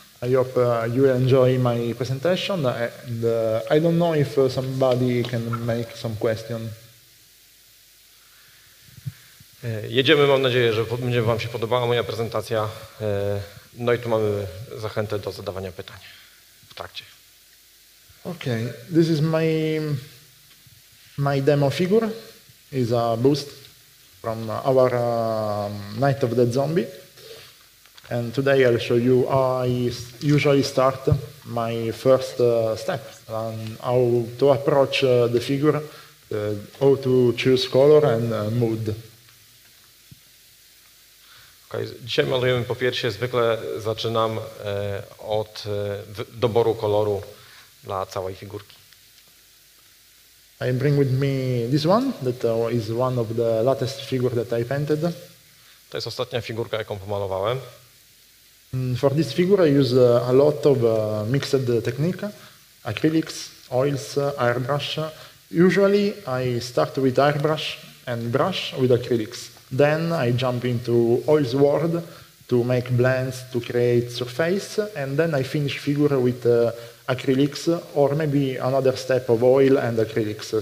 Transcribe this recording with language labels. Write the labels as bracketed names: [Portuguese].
[English] I hope you enjoy my presentation, and I don't know if somebody can make some question. [Polish] Jedziemy, mam nadzieję, że będzie wam się podobała moja prezentacja. No i tu mamy zachętę do zadawania pytań w trakcie. [English] Okay, this is my demo figure. It's a boost from our Night of the Zombie. And today I'll show you how I usually start my first step on how to approach the figure, how to choose color and mood. Ok, Okay. [Polish] Dzisiaj malujemy po piersie. Zwykle zaczynam od doboru koloru dla całej figurki. [English] I bring with me this one, that is one of the latest figures that I painted. [Polish] To jest ostatnia figurka, jaką pomalowałem. [English] For this figure I use a lot of mixed technique, acrylics, oils, airbrush. Usually I start with airbrush and brush with acrylics. Then I jump into oils world to make blends, to create surface, and then I finish figure with acrylics, or maybe another step of oil and acrylics.